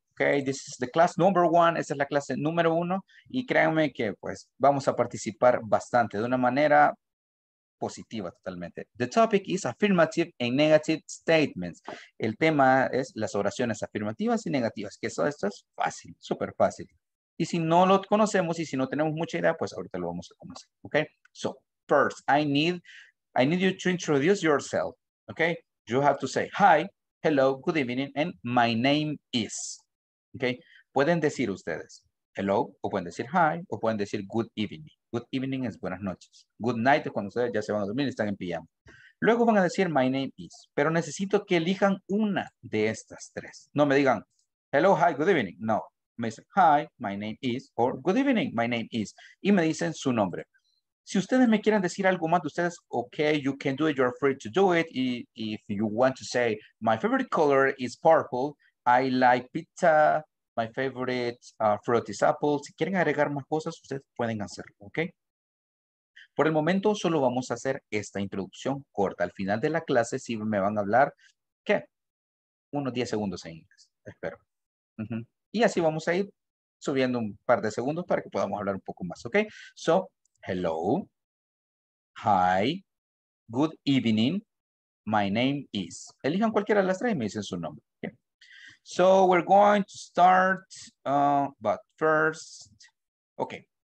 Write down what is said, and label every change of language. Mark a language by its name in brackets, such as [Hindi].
[English] Okay, this is the class number one. [Spanish] Esta es la clase número uno. Y créanme que, pues, vamos a participar bastante de una manera positiva totalmente. [English] The topic is affirmative and negative statements. [Spanish] El tema es las oraciones afirmativas y negativas. Que eso, esto es fácil, súper fácil. Y si no lo conocemos y si no tenemos mucha idea, pues ahorita lo vamos a conocer. [English] Okay? So, first, I need you to introduce yourself. Okay? You have to say, hi, hello, good evening, and my name is. [Spanish] Okay, pueden decir ustedes hello, o pueden decir hi, o pueden decir [English] good evening. Good evening [Spanish] es buenas noches. [English] Good night [Spanish] es cuando ustedes ya se van a dormir y están en pijama. Luego van a decir [English] my name is, [Spanish] pero necesito que elijan una de estas tres. No me digan [English] hello, hi, good evening. [Spanish] No, me dicen [English] hi, my name is, [Spanish] o [English] good evening, my name is, [Spanish] y me dicen su nombre. Si ustedes me quieren decir algo más de ustedes, [English] okay, you can do it, you're free to do it. If you want to say my favorite color is purple, I like pizza, my favorite fruit is apple. [Spanish] Si quieren agregar más cosas, ustedes pueden hacerlo, ¿ok? Por el momento, solo vamos a hacer esta introducción corta. Al final de la clase, sí me van a hablar, ¿qué? Unos 10 segundos en inglés, espero. Uh-huh. Y así vamos a ir subiendo un par de segundos para que podamos hablar un poco más, ¿ok? [English] So, hello, hi, good evening, my name is. [Spanish] Elijan cualquiera de las tres y me dicen su nombre. [English] So we're going to start, but first, okay.